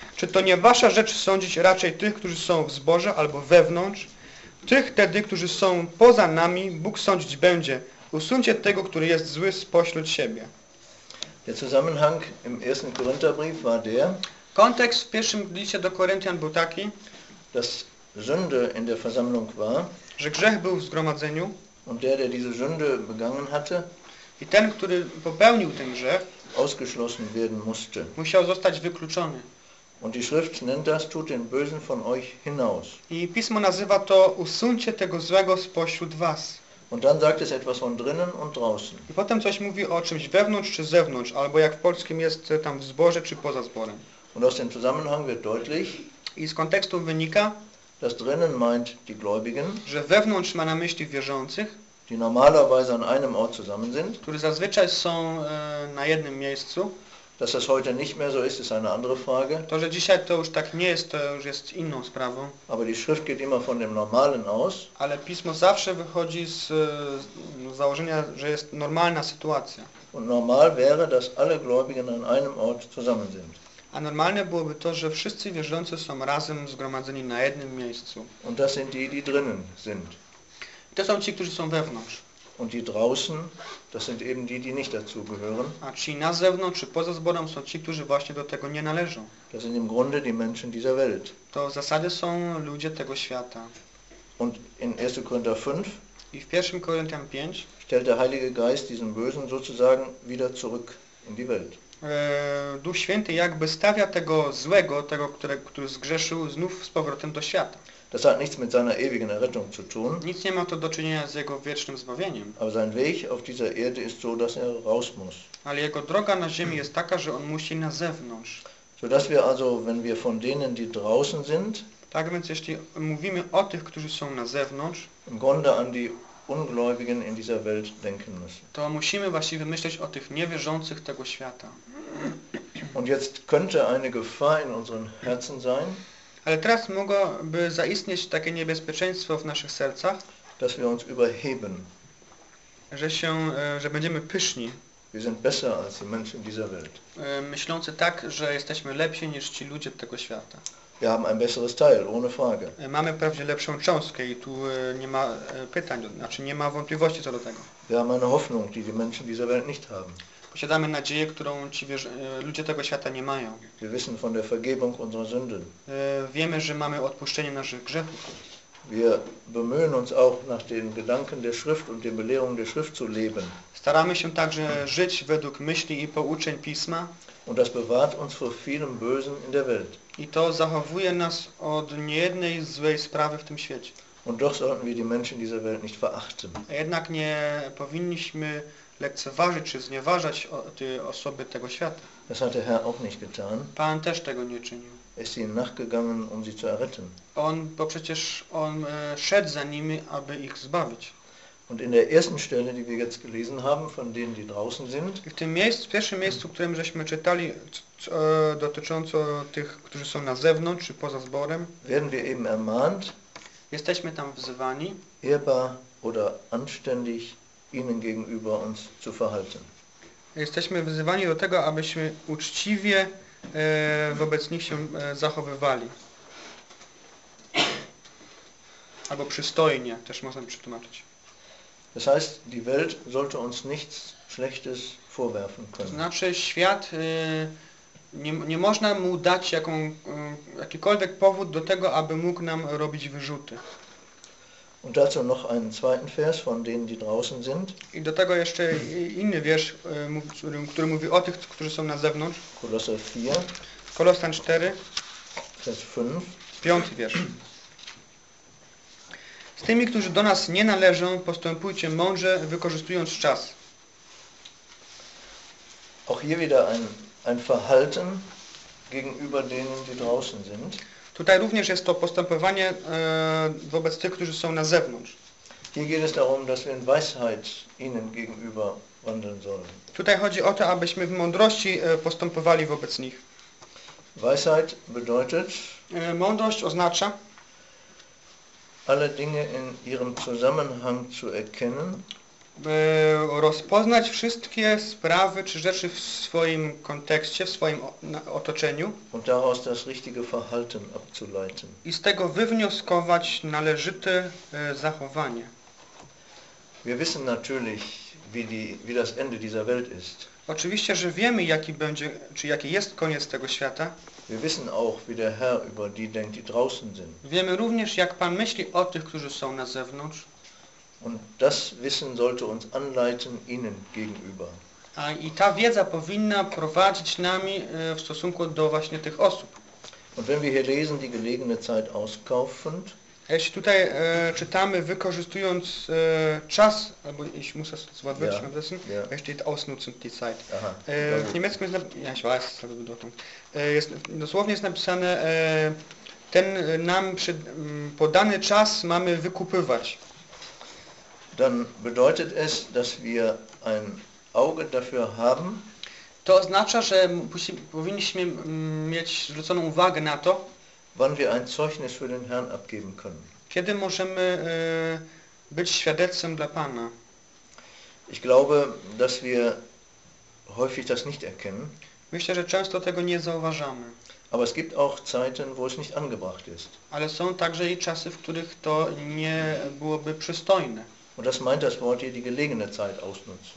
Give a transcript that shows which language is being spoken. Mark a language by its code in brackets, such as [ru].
[pl] Czy to nie wasza rzecz sądzić raczej tych, którzy są w zborze albo wewnątrz? Tych tedy, którzy są poza nami, Bóg sądzić będzie. Usuńcie tego, który jest zły spośród siebie. [de] Der Zusammenhang im 1. Korintherbrief war der. [pl] Kontekst w pierwszym liście do Koryntian był taki. [de] Dass Sünde in der Versammlung war. [pl] Że grzech był w zgromadzeniu. [de] Und der diese Sünde begangen hatte, [pl] i ten, który popełnił ten grzech, [de] ausgeschlossen werden musste. [pl] Musiał zostać wykluczony. [de] Und die Schrift nennt das, tut den Bösen von euch hinaus. [pl] I Pismo nazywa to, usuńcie tego złego spośród was. [de] Und dann sagt es etwas von drinnen und draußen. [pl] I potem coś mówi o czymś wewnątrz czy zewnątrz, albo jak w polskim jest tam w zborze czy poza zborem. [de] Und aus dem Zusammenhang wird deutlich, [pl] i z kontekstu wynika, [de] das drinnen meint die Gläubigen, [pl] że wewnątrz ma na myśli wierzących, [de] die normalerweise an einem Ort zusammen sind, [pl] którzy zazwyczaj są na jednym miejscu, [de] Dass das heute nicht mehr so ist, ist eine andere Frage. [pl] To, że dzisiaj to już tak nie jest, to już jest inną sprawą. [de] Aber die Schrift geht immer von dem Normalen aus. [pl] Ale pismo zawsze wychodzi z założenia, że jest normalna sytuacja. [de] Und normal wäre, dass alle Gläubigen an einem Ort zusammen sind. [pl] A normalne byłoby to, że wszyscy wierzący są razem zgromadzeni na jednym miejscu. [de] Und das sind die, die drinnen sind. [pl] To są ci, którzy są wewnątrz. [de] Und die draußen, das sind eben die, die nicht dazu gehören. [pl] A ci na zewnątrz czy poza zborem są ci, którzy właśnie do tego nie należą. [de] Das sind im Grunde die Menschen dieser Welt. [pl] To w zasadzie są ludzie tego świata. [de] Und in 1. Korinther 5, [pl] i w 1. Koryntian 5 [de] stellt der Heilige Geist diesen Bösen sozusagen wieder zurück in die Welt. [pl] Duch Święty jakby stawia tego złego, tego, który zgrzeszył, znów z powrotem do świata. [de] Das hat nichts mit seiner ewigen Errettung zu tun. [pl] Nic nie ma to do czynienia z jego wiecznym zbawieniem. [de] Aber sein Weg auf dieser Erde ist so, dass er raus muss. [pl] Ale jego droga na ziemi jest taka, że on musi na zewnątrz. [de] So dass wir also, wenn wir von denen, die draußen sind, [pl] tak więc jeśli mówimy o tych, którzy są na zewnątrz, [de] im Grunde an die Ungläubigen in dieser Welt denken müssen. [pl] To musimy właśnie wymyśleć o tych niewierzących tego świata. [de] Und jetzt könnte eine Gefahr in unseren Herzen sein. [pl] Ale teraz mogłoby zaistnieć takie niebezpieczeństwo w naszych sercach, [de] dass wir uns überheben. [pl] Że będziemy pyszni. [de] Wir sind besser als die Menschen dieser Welt. [pl] Myślący tak, że jesteśmy lepsi niż ci ludzie tego świata. [de] Wir haben ein besseres Teil, ohne Frage. [pl] Mamy prawdziwie lepszą cząstkę i tu nie ma pytań, znaczy nie ma wątpliwości co do tego. [de] Wir haben eine Hoffnung, die die Menschen dieser Welt nicht haben. [pl] Posiadamy nadzieję, którą ludzie tego świata nie mają. [de] Wir wissen von der Vergebung unserer Sünden. [pl] Wiemy, że mamy odpuszczenie naszych grzechów. [de] Wir bemühen uns auch nach den Gedanken der Schrift und den Belehrungen der Schrift zu leben. [pl] Staramy się także żyć według myśli i pouczeń Pisma. [de] Und das bewahrt uns vor vielem Bösen in der Welt. [pl] I to zachowuje nas od niejednej złej sprawy w tym świecie. [de] Und doch sollten wir die Menschen dieser Welt nicht verachten. [pl] A jednak nie powinniśmy lekceważyć czy znieważać osoby tego świata. [de] Das hat der Herr auch nicht getan. [pl] Pan też tego nie czynił. [de] Ist ihnen nachgegangen, um sie zu erretten. [pl] On, bo przecież on szedł za nimi, aby ich zbawić. [de] Und in der ersten Stelle, die wir jetzt gelesen haben, von denen, die draußen sind. [pl] I w tym miejscu, w pierwszym miejscu, w którym żeśmy czytali, dotycząco tych, którzy są na zewnątrz czy poza zborem, [de] werden wir eben ermahnt, [pl] jesteśmy tam wzywani, [de] ehrbar oder anständig ihnen gegenüber uns zu verhalten. [pl] Jesteśmy wzywani do tego, abyśmy uczciwie wobec nich się zachowywali. Albo przystojnie, też można przetłumaczyć. [de] Das heißt, die Welt sollte uns nichts Schlechtes vorwerfen können. [pl] To znaczy, świat nie można mu dać jakikolwiek powód do tego, aby mógł nam robić wyrzuty. [de] Und dazu noch einen zweiten Vers von denen, die draußen sind. [pl] I do tego jeszcze inny wiersz, który mówi o tych, którzy są na zewnątrz. [de] Kolosser 4. [pl] Kolosan 4. [de] Vers 5. [pl] Piąty wiersz. Z tymi, którzy do nas nie należą, postępujcie mądrze, wykorzystując czas. [de] Auch hier wieder ein Verhalten gegenüber denen, die draußen sind. [pl] Tutaj również jest to postępowanie wobec tych, którzy są na zewnątrz. [de] Hier geht es darum, dass wir in Weisheit ihnen gegenüber wandeln sollen. [pl] Tutaj chodzi o to, abyśmy w mądrości postępowali wobec nich. [de] Weisheit bedeutet, [pl] mądrość oznacza, [de] alle Dinge in ihrem Zusammenhang zu erkennen, [pl] rozpoznać wszystkie sprawy czy rzeczy w swoim kontekście, w swoim otoczeniu [de] und daraus das richtige Verhalten abzuleiten. [pl] I z tego wywnioskować należyte zachowanie. [de] Wir wissen natürlich, wie das Ende dieser Welt ist. [pl] Oczywiście, że wiemy, jaki będzie, czy jaki jest koniec tego świata. [de] Wir wissen auch, wie der Herr über die denkt, die draußen sind. [pl] Wiemy również, jak Pan myśli o tych, którzy są na zewnątrz. [de] Und das Wissen sollte uns anleiten ihnen gegenüber. [pl] A i ta wiedza powinna prowadzić nami w stosunku do właśnie tych osób. [de] Und wenn wir hier lesen, die gelegene Zeit auskaufend. [pl] Jeśli tutaj czytamy, wykorzystując czas, albo [de] ich muss das zu Wort wörtlich übersetzen, ja. Es steht ausnutzen die Zeit. Aha, [pl] w niemieckim jest napisane, [de] ja weiß, [pl] ale [de] bedeutung. [pl] Dosłownie jest napisane, ten nam podany czas mamy wykupywać. [de] Dann bedeutet es, dass wir ein Auge dafür haben, [pl] To oznacza, że powinniśmy mieć zwróconą uwagę na to, [de] wann wir ein Zeugnis für den Herrn abgeben können. [pl] Kiedy możemy być świadectwem dla Pana? [de] Ich glaube, dass wir häufig das nicht erkennen. [pl] Myślę, że często tego nie zauważamy. [de] Aber es gibt auch Zeiten, wo es nicht angebracht ist. [pl] Ale są także i czasy, w których to nie byłoby przystojne. [de] Und das meint das Wort hier, die gelegene Zeit ausnutzen.